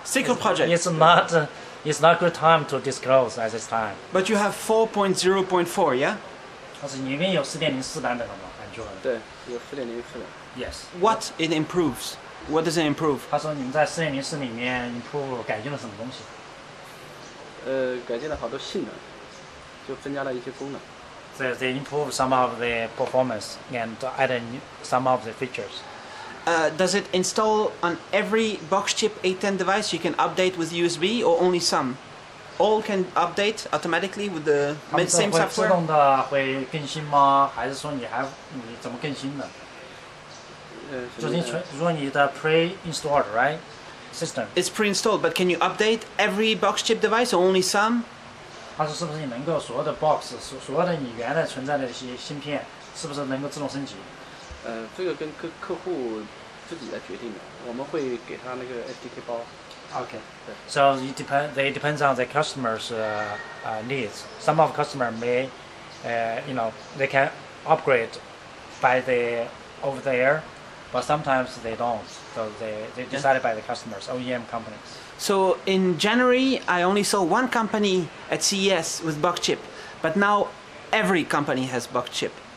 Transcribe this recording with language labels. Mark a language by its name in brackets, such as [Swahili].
[English] It's not a good time to disclose at this time. But you have 4.0.4, yeah? [Chinese] 他说你们有4.04版本了吗？对，有4.04。 [English] Yes. What it improves? What does it improve? [Chinese] 他说你们在4.04里面改进了什么东西？改进了好多性能，就增加了一些功能。 [English] They improve some of the performance and added some of the features. Does it install on every Box Chip A10 device? You can update with USB or only some? All can update automatically with the same software? [Chinese] 自动的会更新吗？还是说你怎么更新的？就是如果你的 [English] pre-installed, right? System. It's pre-installed, but can you update every Box Chip device or only some? [Chinese] 他说是不是你能够所有的box，所有的你原来存在的一些芯片，是不是能够自动升级？这个跟客户自己来决定的，我们会给他那个 SDK 包。 [English] Okay. So it depends on the customer's needs. Some of customers may, you know, they can upgrade by the over the air, but sometimes they don't. So they decided by the customers, OEM companies. So in January, I only saw one company at CES with Buck chip, but now every company has Buck chip.